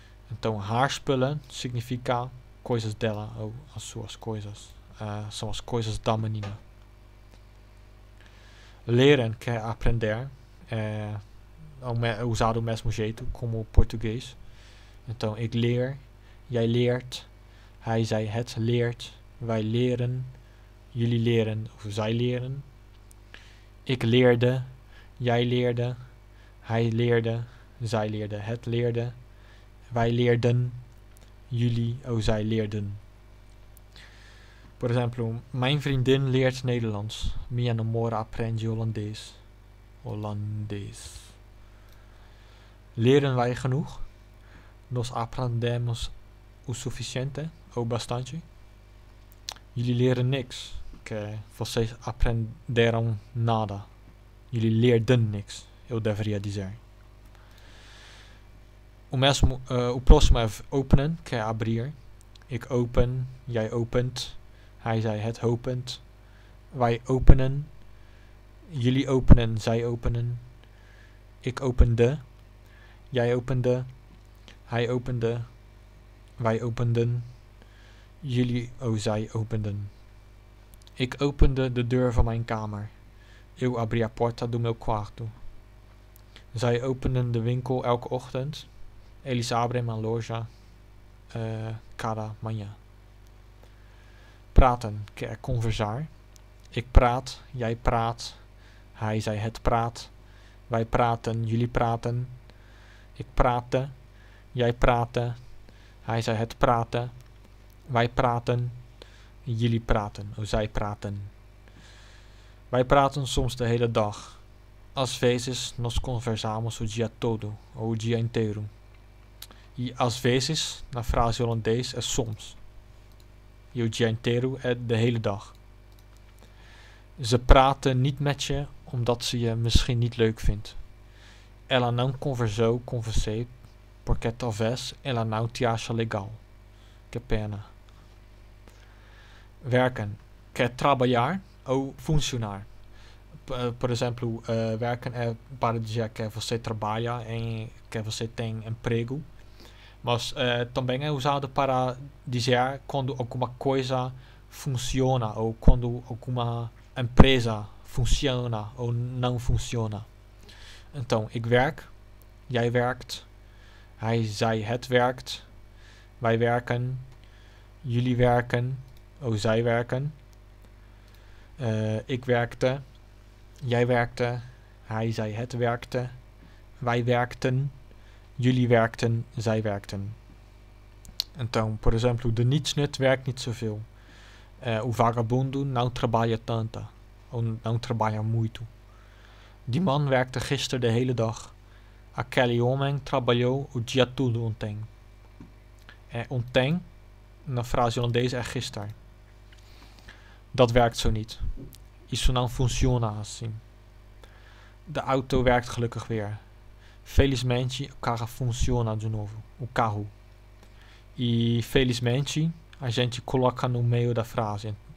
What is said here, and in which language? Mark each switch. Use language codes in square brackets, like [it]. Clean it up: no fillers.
[pt] Então, [nl] haar spullen [pt] significa coisas dela, ou as suas coisas. São as coisas da menina. Leren, que é aprender, é usado do mesmo jeito como o português. Então, [nl] ik leer, jij leert, hij, zij, het leert, wij leren. Jullie leren of zij leren. Ik leerde, jij leerde, hij leerde, zij leerde, het leerde. Wij leerden, jullie of zij leerden. [pt] Por exemplo, [nl] mijn vriendin leert Nederlands. [pt] Minha namora aprende Holandês. Holandês. [nl] Leren wij genoeg? [pt] Nós aprendemos o suficiente, ou bastante? [nl] Jullie leren niks. [pt] Vocês aprenderam nada. [nl] Jullie leerden niks, [pt] eu deveria dizer. O próximo é openen, que é abrir. [nl] Ik open, jij opent, hij, zij, het opent. Wij openen, jullie openen, zij openen. Ik opende, jij opende, hij opende, wij openden, jullie, oh, zij openden. Ik opende de deur van mijn kamer. [pt] Eu abri a porta do meu quarto. [nl] Zij openden de winkel elke ochtend. [pt] Eles abrem a loja, cada manhã. [nl] Praten, [pt] que é conversar. [nl] Ik praat, jij praat. Hij, zij, het praat. Wij praten, jullie praten. Ik praatte, jij praatte. Hij, zij, het praatte. Wij praten. Jullie praten, of zij praten. Wij praten soms de hele dag. [pt] Às vezes nós conversamos o dia todo, ou o dia inteiro. E às vezes, na frase holandês, é soms. E o dia inteiro é [nl] de hele dag. Ze praten niet met je, omdat ze je misschien niet leuk vindt. [pt] Ela não conversou com você, porque talvez ela não te ache legal. Que pena. Werken, que é trabalhar ou funcionar. Por exemplo, werken é para dizer que você trabalha, em que você tem emprego. Mas também é usado para dizer quando alguma coisa funciona ou quando alguma empresa funciona ou não funciona. Então, [nl] ik werk, jij werkt, hij, zij, het werkt, wij werken, jullie werken. Oh, zij werken. Ik werkte. Jij werkte. Hij, zij, het werkte. Wij werkten. Jullie werkten. Zij werkten. [pt] Então, por exemplo, [nl] de nietsnut werkt niet zoveel. [pt] O vagabundo não trabalha tanto. Ou não trabalha muito. [nl] Die man werkte gisteren de hele dag. [pt] Aquele homem trabalhou o dia todo ontem. Ontem, na frase holandesa, é gisteren. [nl] Dat werkt zo niet. [pt] Isso não funciona assim. [nl] De auto werkt gelukkig weer. [pt] Felizmente, o carro funciona de novo. O carro. E felizmente, a gente coloca no meio da frase.